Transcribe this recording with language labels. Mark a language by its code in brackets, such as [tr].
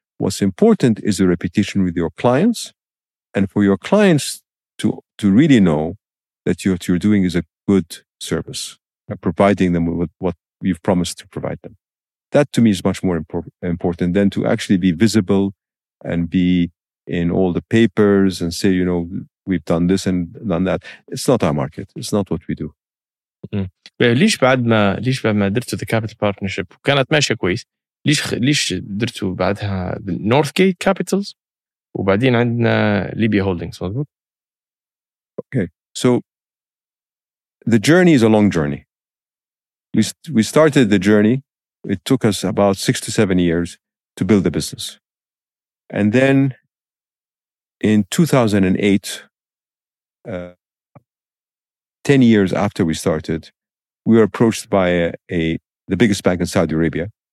[en] What's important is the reputation with your clients and for your clients to really know that what you're doing is a good service, providing them with what you've promised to provide them. That to me is much more important than to actually be visible and be in all the papers and say, you know, we've done this and done that. It's not our market. It's not what we do. [ar] ليش بعد ما درتوا the capital partnership كانت ماشية كويس ليش درتوا بعدها Northgate Capitals وبعدين عندنا Libya Holdings مضبوط؟ [en] Okay, so the journey is a long journey. We started the journey. It took us about 6 to 7 years to build the business. And then in 2008, 10 years after we started, we were approached by the biggest bank in Saudi Arabia.